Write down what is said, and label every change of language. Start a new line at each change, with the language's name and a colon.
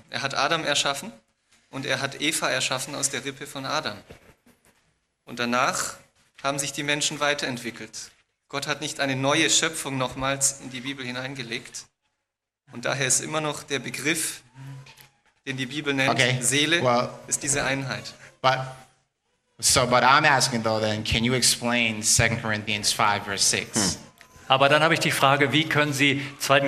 German: Er hat Adam erschaffen und er hat Eva erschaffen aus der Rippe von Adam. Und danach haben sich die Menschen weiterentwickelt. Gott hat nicht eine neue Schöpfung nochmals in die Bibel hineingelegt. Und daher ist immer noch der Begriff, den die Bibel nennt, okay. Seele, well, ist diese Einheit.
English: But so, but I'm asking though then, can you explain 2 Corinthians 5, verse 6? Hm.
German: Aber dann habe ich die Frage, wie können Sie 2.